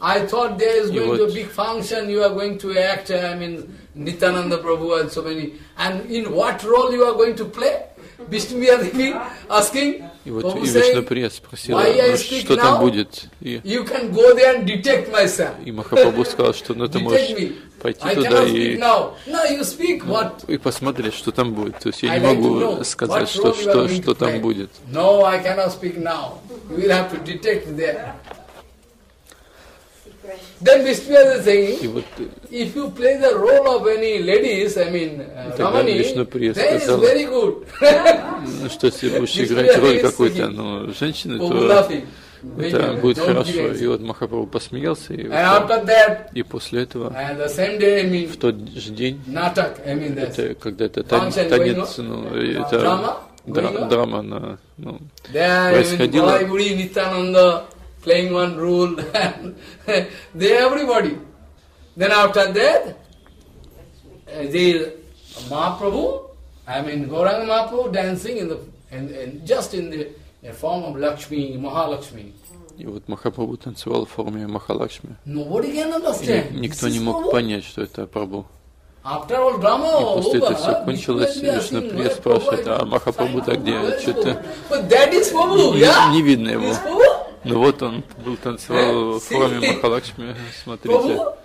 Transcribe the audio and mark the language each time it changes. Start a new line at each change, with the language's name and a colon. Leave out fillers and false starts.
English: I thought there is going to be a big function, you are going to act, I mean, Nityananda Prabhu and so many. And in what role you are going to play? Vishnu Vyadevi asking,
Russian: и вот и Вишну Прия спросила, что там будет.
English: You can go there and detect myself.
Russian: И Махапрабху сказал, что ты можешь пойти туда и посмотреть, что там будет. То есть я не могу сказать, что там будет.
English: No, I cannot speak now. You will have to detect there. Then Vishnu is saying, if you play the role of any ladies, I mean, Ramani, then it's very good.
Russian: Что если будешь играть роль какой-то, ну, женщины, то это будет хорошо. И вот Махапрабху посмеялся, и после этого, в тот же день, это, когда это танец, ну, это драма, ну, происходила.
English: Playing one role, and they everybody. Then after that, the Mahaprabhu, I mean Gauranga Mahaprabhu dancing in the form of Lakshmi, Mahalakshmi.
Russian: И вот Махапрабху танцевал в форме Махалакшми.
English: Nobody can understand.
Russian: Никто не мог понять, что это Прабху.
English: After all drama over,
Russian: после этого все кончилось, Вишну Прия спрашивает, а Махапрабху-то где? Что-то не видно его. Ну вот он был танцевал в форме Махалакшми, смотрите.